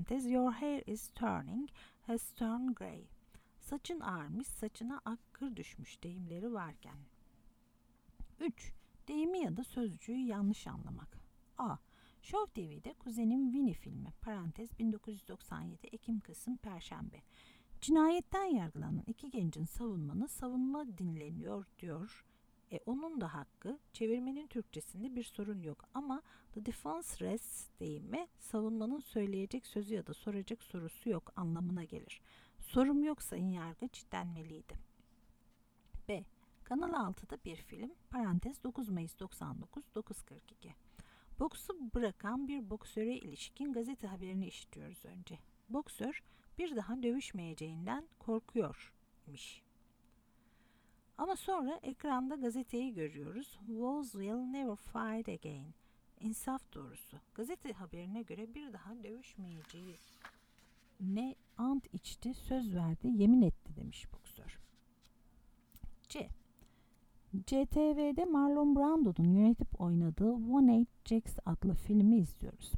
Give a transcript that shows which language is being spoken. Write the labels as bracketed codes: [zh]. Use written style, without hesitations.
[en] Your hair is turning, has turned grey. [tr] Saçın ağarmış, saçına ak kır düşmüş deyimleri varken. 3. Deyimi ya da sözcüğü yanlış anlamak. A. Show TV'de Kuzenim Winnie filmi. Parantez 1997 Ekim-Kasım Perşembe. Cinayetten yargılanan iki gencin savunmanı savunma dinleniyor diyor. E onun da hakkı, çevirmenin Türkçesinde bir sorun yok ama [en] the defense rests [tr] deyimi savunmanın söyleyecek sözü ya da soracak sorusu yok anlamına gelir. Sorum yok sayın yargıç denmeliydi. B. Kanal 6'da bir film, parantez 9 Mayıs 99, 9.42. Boksu bırakan bir boksöre ilişkin gazete haberini işitiyoruz önce. Boksör bir daha dövüşmeyeceğinden korkuyormuş. Ama sonra ekranda gazeteyi görüyoruz. [en] Wolves will never fight again. [tr] İnsaf doğrusu. Gazete haberine göre bir daha dövüşmeyeceği ne ant içti, söz verdi, yemin etti demiş boksör. C. CTV'de Marlon Brando'nun yönetip oynadığı One Eight Jacks adlı filmi izliyoruz.